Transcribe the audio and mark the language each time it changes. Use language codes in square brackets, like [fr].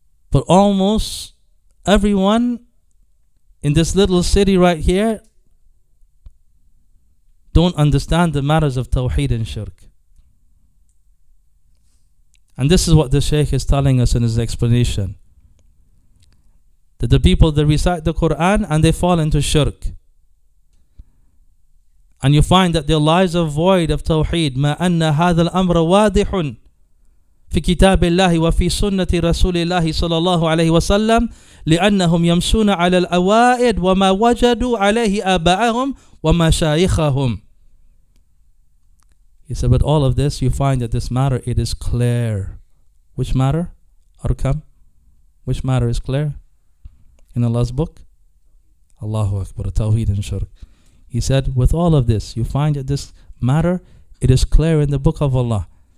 [en] But almost everyone in this little city right here don't understand the matters of Tawheed and Shirk. And this is what the Shaykh is telling us in his explanation. That the people, they recite the Quran and they fall into Shirk. And you find that their lives are void of Tawheed. [ar] مَا أَنَّ هَذَا الْأَمْرَ وَاضِحٌ في كتاب الله وفي سنة رسول الله صلى الله عليه وسلم لأنهم يمشون على الأوائد وما وجدوا عليه آباءهم وما شايخهم. [en] He said, but all of this, you find that this matter, it is clear. Which matter? Arkam. Which matter is clear? In Allah's book? Allahu Akbar, Tawheed and Shirk. He said, with all of this, you find that this matter, it is clear in the book of Allah.